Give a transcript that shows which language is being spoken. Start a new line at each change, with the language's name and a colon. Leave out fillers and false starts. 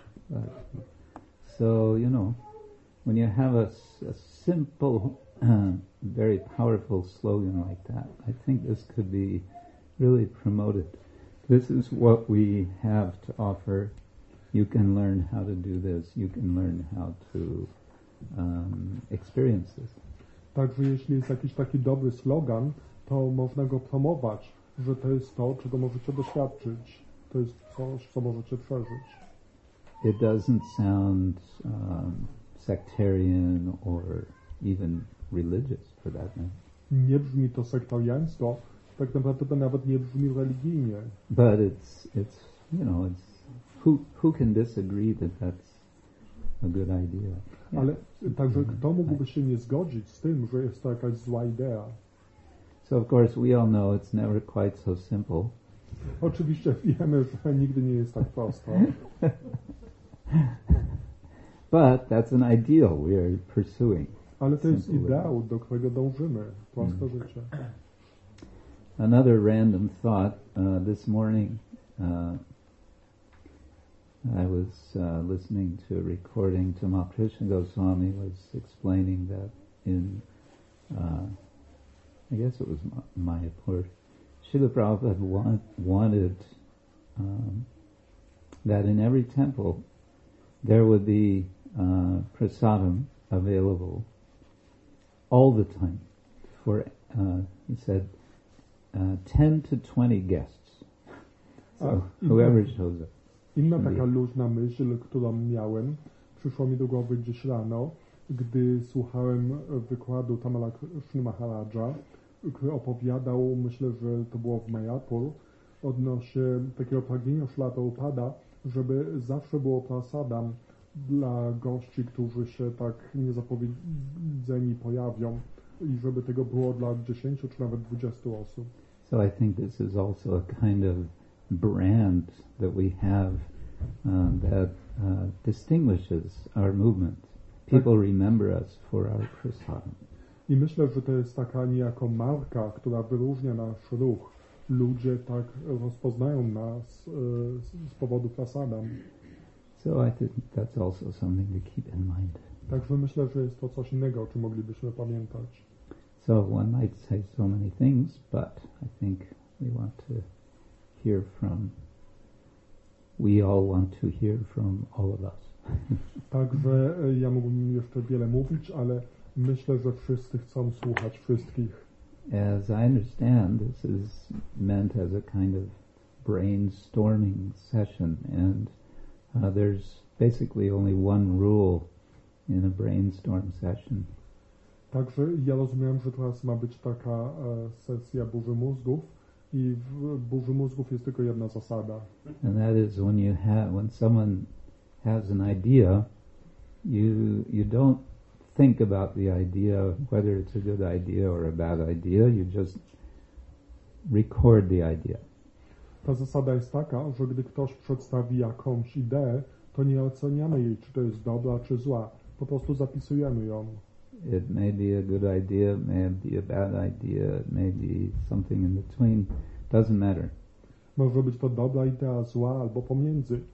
English: But, so, you know, when you have a simple, very powerful slogan like that, I think this could be really promoted. This is what we have to offer. You can learn how to do this. You can learn how to experience this.
Polish: Także jeśli jest jakiś taki dobry slogan, to można go promować, że to jest to, czego możecie doświadczyć. To jest coś, co możecie przeżyć.
English: It doesn't sound sectarian or even religious for that matter.
Polish: Nie brzmi to sektariańsko, tak naprawdę to nawet nie brzmi religijnie.
English: But it's you know, it's who can disagree that that's a good idea?
Polish: Ale yeah. Także kto mógłby się nie zgodzić z tym, że jest to jakaś zła idea?
English: So of course we all know it's never quite so simple.
Polish: Oczywiście wiemy, że nigdy nie jest tak prosto.
English: But that's an ideal we are pursuing.
Polish: Ale to jest ideał, do którego dążymy, proste życie.
English: Another random thought this morning. I was listening to a recording. Tamal Krishna Goswami was explaining that in, I guess it was Mayapur, Srila Prabhupada wanted that in every temple there would be prasadam available all the time for, he said, 10 to 20 guests. So whoever shows up.
Polish: Inna taka luźna myśl, którą miałem, przyszła mi do głowy gdzieś rano, gdy słuchałem wykładu Tamala Krishna Maharaja, który opowiadał, myślę, że to było w Mayapur, odnośnie takiego pragnienia Srila Prabhupada, żeby zawsze było prasadam dla gości, którzy się tak niezapowiedzeni pojawią i żeby tego było dla 10 czy nawet 20 osób.
English: So I think this is also a kind of brand that we have that distinguishes our movement. People remember us for our prasadam.
Polish: I myślę, że to jest taka niejako marka, która wyróżnia nasz ruch. Ludzie tak rozpoznają nas z powodu prasadam.
English: So I think that's also something to keep in mind.
Polish: Także myślę, że jest to coś innego, o czym moglibyśmy pamiętać.
English: So one might say so many things, but I think we want to hear from, we all want to hear from all of us.
Polish: Także ja mógłbym jeszcze wiele mówić, ale myślę, że wszyscy chcą słuchać wszystkich.
English: As I understand, this is meant as a kind of brainstorming session, and there's basically only one rule in a brainstorm session.
Polish: Także ja rozumiem, że teraz ma być taka sesja burzy mózgów. I w burzy mózgów jest tylko jedna zasada.
English: And that is when you have, when someone has an idea, you don't think about the idea, whether it's a good idea or a bad idea, you just record the idea.
Polish: Ta zasada jest taka, że gdy ktoś przedstawi jakąś ideę, to nie oceniamy jej, czy to jest dobra, czy zła. Po prostu zapisujemy ją.
English: It may be a good idea, it may be a bad idea, it may be something in between. Doesn't matter.
Polish: Może być to dobra idea, zła albo pomiędzy.